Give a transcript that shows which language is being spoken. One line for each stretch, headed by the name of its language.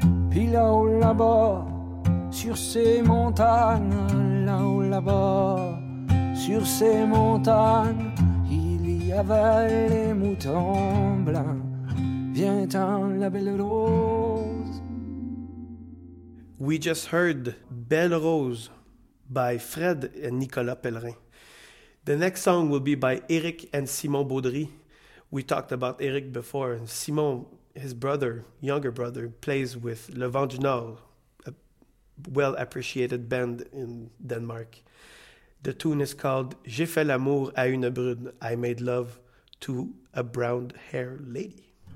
French: Puis là-haut là-bas, sur ces montagnes, là-haut là-bas, sur ces montagnes, il y avait les moutons blancs. Viens-t'en, la belle rose.
English: We just heard Belle Rose by Fred and Nicolas Pellerin. The next song will be by Eric and Simon Baudry. We talked about Eric before. Simon, his brother, younger brother, plays with Le Vent du Nord, a well-appreciated band in Denmark. The tune is called J'ai fait l'amour à une brune. I made love to a brown-haired lady.